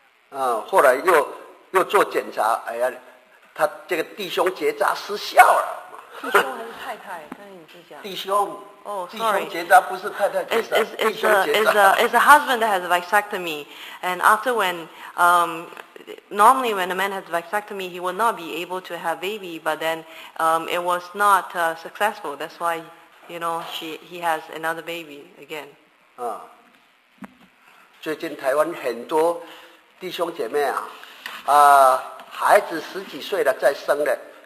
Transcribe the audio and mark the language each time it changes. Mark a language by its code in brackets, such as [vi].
[zh] 后来又做检查，哎呀，他这个弟兄结扎失效了。弟兄还是太太？弟兄。 [en] Oh, sorry. [zh] 弟兄结扎不是太太结扎 [en] it's a husband that has a vasectomy. And after when, normally when a man has a vasectomy, he will not be able to have a baby. But then it was not successful. That's why, you know, he has another baby again. [zh] 最近台湾很多弟兄姐妹啊，孩子十几岁了再生的。